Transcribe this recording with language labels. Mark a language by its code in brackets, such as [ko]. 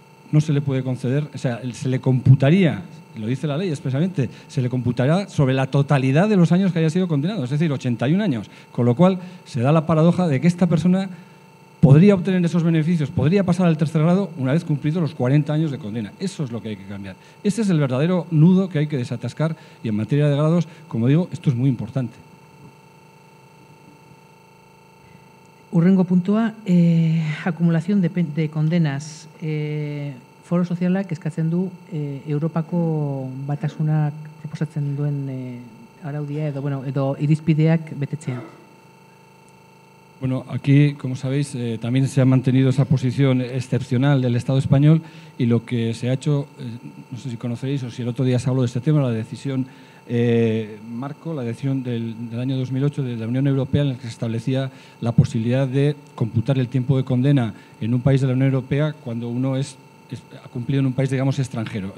[es] no se le puede conceder, o sea, se le computaría, lo dice la ley expresamente, se le computará sobre la totalidad de los años que haya sido condenado, es decir, 81 años, con lo cual se da la paradoja de que esta persona podría obtener esos beneficios, podría pasar al tercer grado una vez cumplidos los 40 años de condena. Eso es lo que hay que cambiar. Ese es el verdadero nudo que hay que desatascar y en materia de grados, como digo, esto es muy importante. [eu] Urrengo puntua, [es] acumulación de condenas. [eu] Foro sozialak eskatzen du Europako batasunak proposatzen duen araudia edo irizpideak betetzea. [es] Bueno, aquí, como sabéis, también se ha mantenido esa posición excepcional del Estado español y lo que se ha hecho, no sé si conoceréis o si el otro día se habló de este tema, la decisión marco, la decisión del año 2008 de la Unión Europea en la que se establecía la posibilidad de computar el tiempo de condena en un país de la Unión Europea cuando uno ha cumplido en un país, digamos, extranjero.